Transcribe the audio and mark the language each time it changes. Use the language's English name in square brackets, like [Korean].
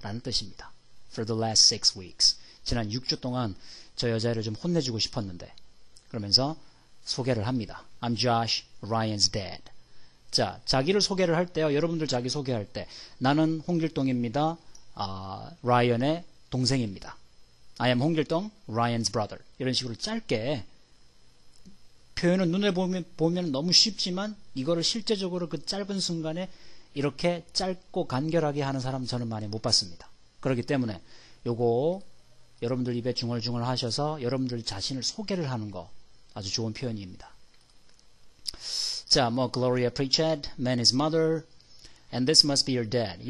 [Korean] 라는 뜻입니다. [English] For the last 6 weeks. [Korean] 지난 6주 동안 저 여자애를 좀 혼내주고 싶었는데. 그러면서 소개를 합니다. [English] I'm Josh, Ryan's dad. [Korean] 자, 자기를 소개를 할 때요. 여러분들 자기 소개할 때 나는 홍길동입니다. 라이언의 동생입니다. [English] I am 홍길동, Ryan's brother. [Korean] 이런 식으로 짧게 표현은 눈에 보면 너무 쉽지만 이거를 실제적으로 그 짧은 순간에 이렇게 짧고 간결하게 하는 사람 저는 많이 못 봤습니다. 그렇기 때문에 요거 여러분들 입에 중얼중얼 하셔서 여러분들 자신을 소개를 하는 거 아주 좋은 표현입니다. [English] 자, 뭐 Gloria Pritchett, man is mother, and this must be your dad.